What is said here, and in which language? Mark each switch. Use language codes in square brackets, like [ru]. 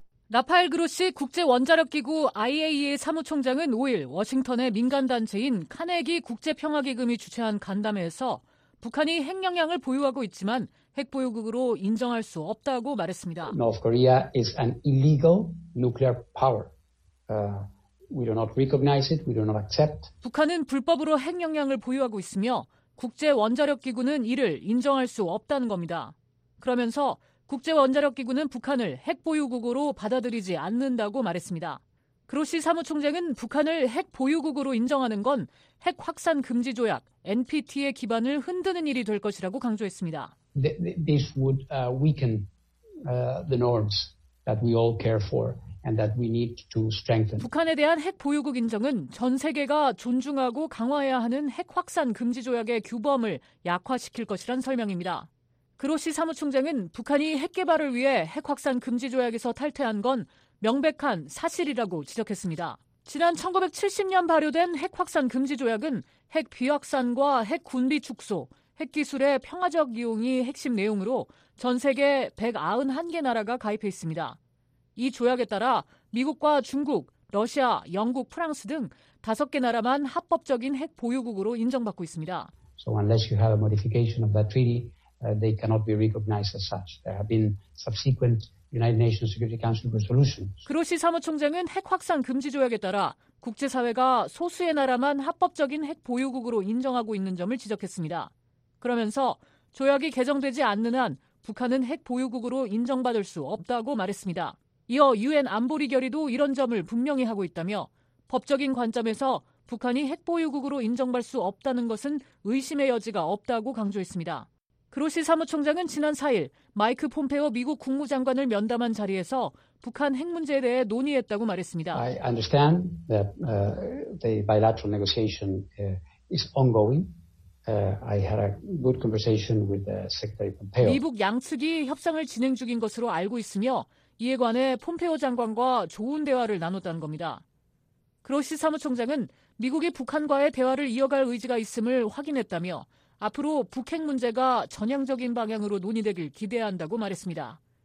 [ko] 라파엘 그로시 국제원자력기구 IAEA 사무총장은 5일 워싱턴의 민간단체인 카네기 국제평화기금이 주최한 간담회에서 북한이 핵 역량을 보유하고 있지만 핵 보유국으로 인정할 수 없다고 말했습니다. [en] North Korea is an illegal nuclear power. We do not recognize it. We do not accept. [ko] 북한은 불법으로 핵 역량을 보유하고 있으며 국제 원자력 기구는 이를 인정할 수 없다는 겁니다. 그러면서 국제 원자력 기구는 북한을 핵 보유국으로 받아들이지 않는다고 말했습니다. 그로시 사무총장은 북한을 핵 보유국으로 인정하는 건 핵 확산 금지 조약 NPT의 기반을 흔드는 일이 될 것이라고 강조했습니다. [en] This would weaken the norms that we all care for and that we need to strengthen. [ko] 북한에 대한 핵 보유국 인정은 전 세계가 존중하고 강화해야 하는 핵 확산 금지 조약의 규범을 약화시킬 것이란 설명입니다. 그로시 사무총장은 북한이 핵 개발을 위해 핵 확산 금지 조약에서 탈퇴한 건 명백한 사실이라고 지적했습니다. 지난 1970년 발효된 핵 확산 금지 조약은 핵 비확산과 핵 군비 축소, 핵 기술의 평화적 이용이 핵심 내용으로 전 세계 191개 나라가 가입해 있습니다. 이 조약에 따라 미국과 중국, 러시아, 영국, 프랑스 등 5개 나라만 합법적인 핵 보유국으로 인정받고 있습니다. [en] So unless you have a modification of that treaty, they cannot be recognized as such. There have been subsequent United Nations Security Council resolutions. [ko] 그로시 사무총장은 핵 확산 금지 조약에 따라 국제사회가 소수의 나라만 합법적인 핵 보유국으로 인정하고 있는 점을 지적했습니다. 그러면서 조약이 개정되지 않는 한 북한은 핵 보유국으로 인정받을 수 없다고 말했습니다. 이어 유엔 안보리 결의도 이런 점을 분명히 하고 있다며 법적인 관점에서 북한이 핵 보유국으로 인정받을 수 없다는 것은 의심의 여지가 없다고 강조했습니다. 그로시 사무총장은 지난 4일 마이크 폼페오 미국 국무장관을 면담한 자리에서 북한 핵 문제에 대해 논의했다고 말했습니다. [en] I understand that the bilateral negotiation is ongoing. I had a good conversation with the Secretary Pompeo. [ko] 미북 양측이 협상을 진행 중인 것으로 알고 있으며 이에 관해 폼페오 장관과 좋은 대화를 나눴다는 겁니다. 그로시 사무총장은 미국이 북한과의 대화를 이어갈 의지가 있음을 확인했다며 앞으로 북핵 문제가 전향적인 방향으로 논의되길 기대한다고 말했습니다.